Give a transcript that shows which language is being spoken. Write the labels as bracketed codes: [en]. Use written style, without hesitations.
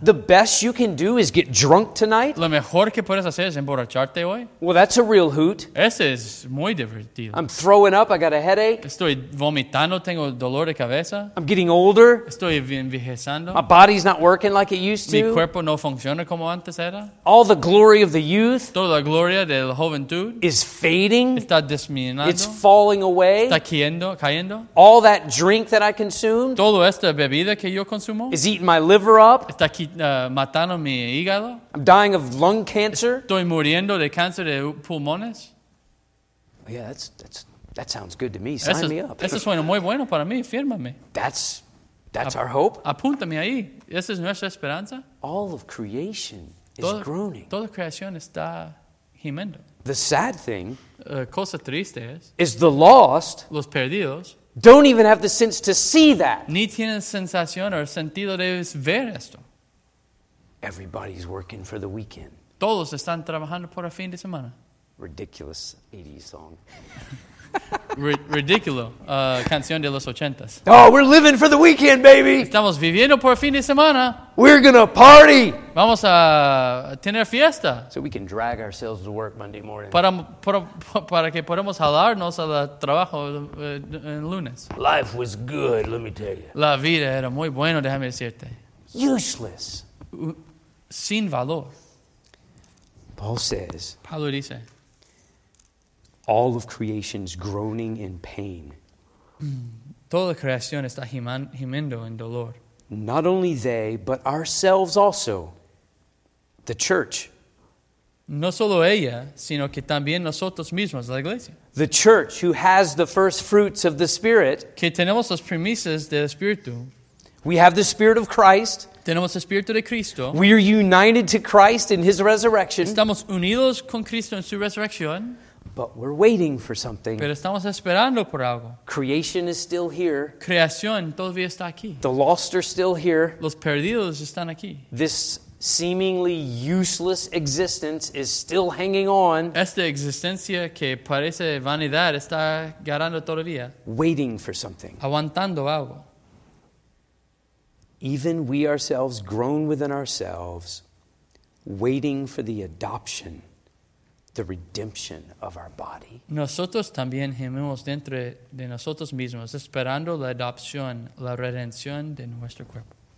[en] The best you can do is get drunk tonight. [es] Lo mejor que puedes hacer es emborracharte hoy. [en] Well, that's a real hoot. [es] Ese es muy divertido. [en] I'm throwing up. I got a headache. [es] Estoy vomitando. Tengo dolor de cabeza. [en] I'm getting older. [es] Estoy envejeciendo. [en] My body's not working like it used to. [es] Mi cuerpo no funciona como antes era. [en] All the glory of the youth, [es] toda la gloria de la juventud, [en] is fading. [es] Está disminuyendo. [en] It's falling away. [es] Está cayendo, cayendo. [en] All that drink that I consumed, [es] todo esta bebida que yo consumo, [en] is eating my liver up. [es] Está matando mi hígado. [en] I'm dying of lung cancer. [es] Estoy muriendo de cáncer de pulmones. [en] Yeah, that sounds good to me. Sign [es] eso, [en] me up. [es] Eso suena muy bueno para mí. Fírmame. [en] That's our hope. [es] Apúntame ahí. Esa es nuestra esperanza. [en] All of creation. Is groaning. [es] Toda creación está gimiendo. [en] The sad thing, [es] cosa triste es, [en] is the lost, [es] los perdidos, [en] don't even have the sense to see that. [es] Ni tienen sensación o sentido de ver esto. [en] Everybody's working for the weekend. [es] Todos están trabajando por el fin de semana. [en] Ridiculous 80s song. [es] Ridículo, canción de los 80s. [en] Oh, we're living for the weekend, baby. [es] Estamos viviendo por el fin de semana. [en] We're going to party. [es] Vamos a tener fiesta. [en] So we can drag ourselves to work Monday morning. [es] Para que podamos jalarnos al trabajo en lunes. [en] Life was good, let me tell you. [es] La vida era muy buena, déjame decirte. [en] Useless. [es] Sin valor. [en] Paul says, [es] Pablo dice, [en] all of creation's groaning in pain. [es] Toda la creación está gimiendo en dolor. [en] Not only they, but ourselves also. The church. [es] No solo ella, sino que también nosotros mismos, la iglesia. [en] The church who has the first fruits of the Spirit. [es] Que tenemos las primicias del Espíritu. [en] We have the Spirit of Christ. [es] Tenemos el Espíritu de Cristo. [en] We are united to Christ in His resurrection. [es] Estamos unidos con Cristo en su resurrección. [en] But we're waiting for something. [es] Pero estamos esperando por algo. [en] Creation is still here. [es] Creación todavía está aquí. [en] The lost are still here. [es] Los perdidos están aquí. [en] This seemingly useless existence is still hanging on. [es] Esta existencia que parece vanidad está agarrando todavía. [en] Waiting for something. [es] Aguantando algo. [en] Even we ourselves groan within ourselves, waiting for the adoption, the redemption of our body. [es] Nosotros también gemimos dentro de nosotros mismos, esperando la adopción, la redención de nuestro cuerpo.